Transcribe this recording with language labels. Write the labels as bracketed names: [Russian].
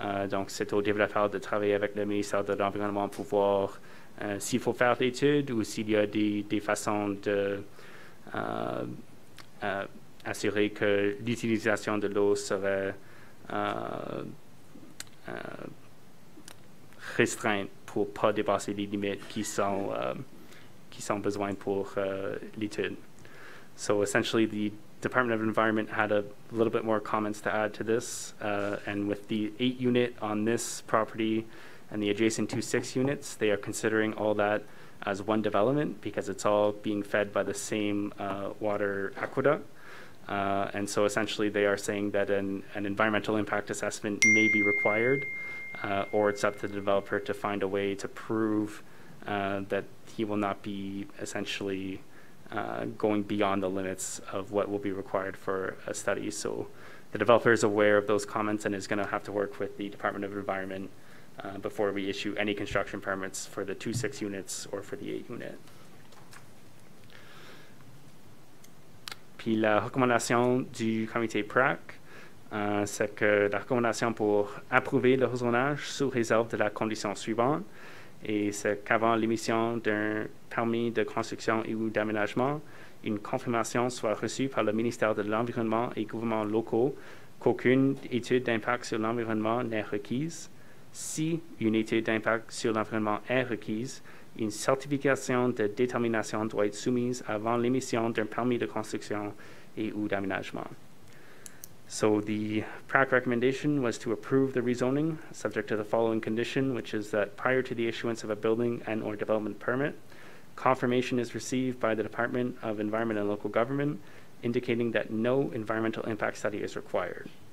[French] Donc, c'est au développeur de travailler avec le ministère de l'Environnement pour voir s'il faut faire l'étude ou s'il y a des façons de assurer que l'utilisation de l'eau serait restreinte pour ne pas dépasser les limites qui sont... qui sont besoin pour l'étude. [English] So essentially, the Department of Environment had a little bit more comments to add to this, and with the 8 unit on this property and the adjacent 2-6 units, they are considering all that as one development because it's all being fed by the same water aqueduct. And so essentially, they are saying that an environmental impact assessment may be required, or it's up to the developer to find a way to prove that he will not be essentially going beyond the limits of what will be required for a study. So the developer is aware of those comments and is going to have to work with the Department of Environment before we issue any construction permits for the 2-6 units or for the 8 unit. [French] Puis la recommandation du comité PRAC, c'est que la recommandation pour approuver le rezonage sous réserve de la condition suivante. Et c'est qu'avant l'émission d'un permis de construction ou d'aménagement, une confirmation soit reçue par le ministère de l'Environnement et gouvernements locaux qu'aucune étude d'impact sur l'environnement n'est requise. Si une étude d'impact sur l'environnement est requise, une certification de détermination doit être soumise avant l'émission d'un permis de construction et ou d'aménagement. [English] So the PRAC recommendation was to approve the rezoning subject to the following condition, which is that prior to the issuance of a building and or development permit, confirmation is received by the Department of Environment and Local Government indicating that no environmental impact study is required.